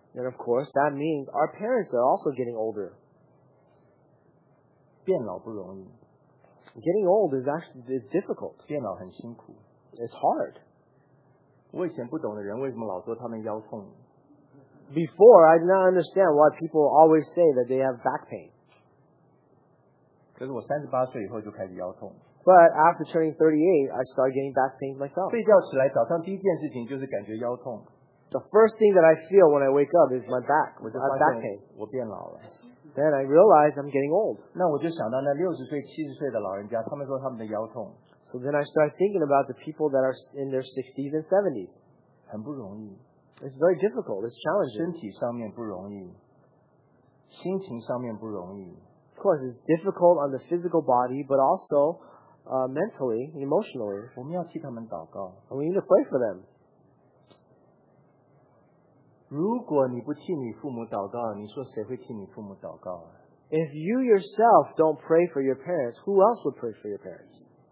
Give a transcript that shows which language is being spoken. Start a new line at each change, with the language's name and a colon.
English: And of course, that means our parents are also getting older.
Chinese: 变老不容易。
English: Getting old is actually difficult.
Chinese: 变老很辛苦。
English: It's hard.
Chinese: 我以前不懂的人为什么老说他们腰痛。
English: Before, I did not understand why people always say that they have back pain.
Chinese: 可是我38岁以后就开始腰痛。
English: But after turning 38, I started getting back pain myself.
Chinese: 睡觉起来早上第一件事情就是感觉腰痛。
English: The first thing that I feel when I wake up is my back. Back pain.
Chinese: 我变老了。
English: Then I realized I'm getting old.
Chinese: 那我就想到那60岁、70岁的老人家，他们说他们的腰痛。
English: So then I started thinking about the people that are in their 60s and 70s.
Chinese: 很不容易。
English: It's very difficult. It's challenging.
Chinese: 身体上面不容易。心情上面不容易。
English: Of course, it's difficult on the physical body, but also mentally, emotionally.
Chinese: 我们要替他们祷告。
English: And we need to pray for them.
Chinese: 如果你不替你父母祷告，你说谁会替你父母祷告啊？
English: If you yourself don't pray for your parents, who else would pray for your parents?